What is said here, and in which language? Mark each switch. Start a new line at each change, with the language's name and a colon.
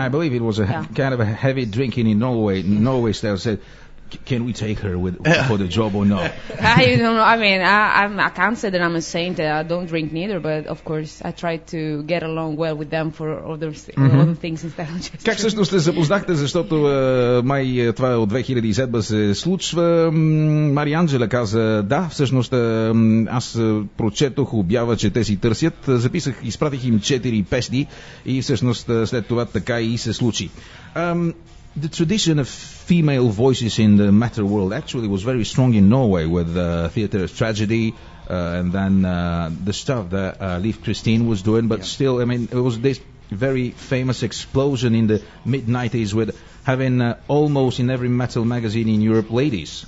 English: I believe it was a kind of a heavy drinking in Norway. Norway style said, can we take her with for the job or no? I don't know. I mean, I can't say that I'm a saint. I don't drink neither, but of course, I try to get along well with them for other things instead of just.
Bulgarian: Как всъщност се запознахте, защото май това от 2007 се случва. Мари Анджела каза, да, всъщност аз прочетох обява, че те си търсят. Записах, изпратих им 4 песни и всъщност след това така и се случи.
English: The tradition of female voices in the metal world actually was very strong in Norway with the Theater of Tragedy and then the stuff that Liv Kristine was doing. But yeah. Still, I mean, it was this very famous explosion in the mid-90s with having almost in every metal magazine in Europe ladies.